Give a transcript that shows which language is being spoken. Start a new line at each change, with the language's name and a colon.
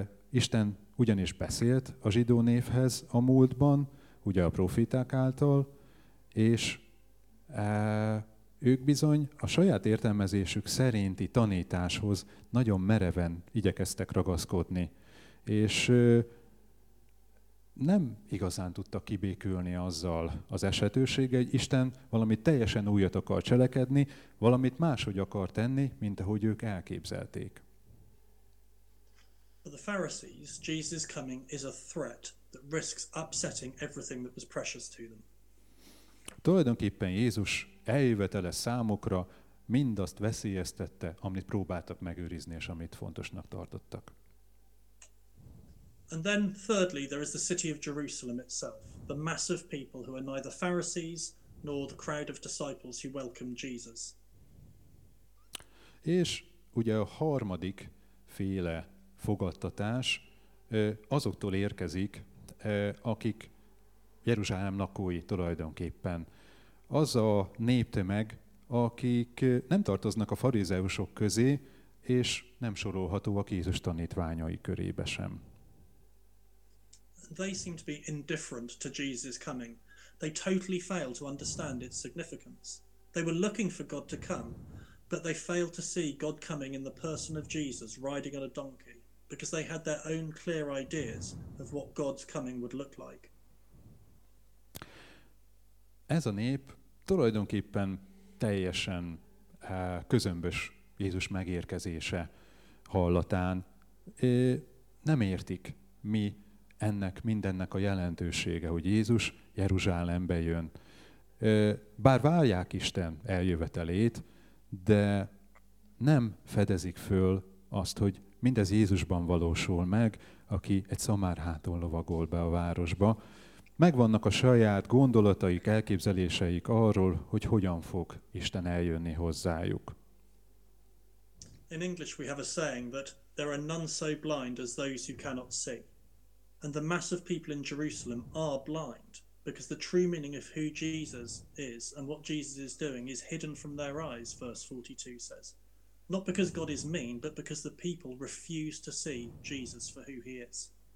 Hungarian: Isten ugyanis beszélt a zsidó névhez a múltban, ugye a proféták által, és ők bizony a saját értelmezésük szerinti tanításhoz nagyon mereven igyekeztek ragaszkodni, és nem igazán tudtak kibékülni azzal az esetőséggel, hogy Isten valamit teljesen újat akar cselekedni, valamit máshogy akar tenni, mint ahogy ők elképzelték.
English: For the Pharisees, Jesus' coming is a threat that risks upsetting everything that was precious to them.
Hungarian: Tulajdonképpen Jézus eljövetele számukra mindazt veszélyeztette, amit próbáltak megőrizni, és amit fontosnak tartottak.
English: And then thirdly, there is the city of Jerusalem itself, the mass of people who are neither Pharisees nor the crowd of disciples who welcomed Jesus.
Hungarian: És ugye a harmadik féle fogadtatás azoktól érkezik, akik Jeruzsálem lakói tulajdonképpen. Az a néptömeg, akik nem tartoznak a farizeusok közé, és nem sorolhatóak Jézus tanítványai körébe sem.
English: They seem to be indifferent to Jesus' coming. They totally fail to understand its significance. They were looking for God to come, but they failed to see God coming in the person of Jesus riding on a donkey, because they had their own clear ideas of what God's coming would look like.
Hungarian: Ez a nép tulajdonképpen teljesen közömbös Jézus megérkezése hallatán nem értik, mi ennek mindennek a jelentősége, hogy Jézus Jeruzsálembe jön. Bár várják Isten eljövetelét, de nem fedezik föl azt, hogy mindez Jézusban valósul meg, aki egy szamárháton lovagol be a városba. Megvannak a saját gondolataik, elképzeléseik arról, hogy hogyan fog Isten eljönni hozzájuk.
English: In English we have a saying that there are none so blind as those who cannot see. And the mass of people in Jerusalem are blind, because the true meaning of who Jesus is and what Jesus is doing is hidden from their eyes, verse 42 says. Not because God is mean, but because the people refuse to see Jesus for who he is.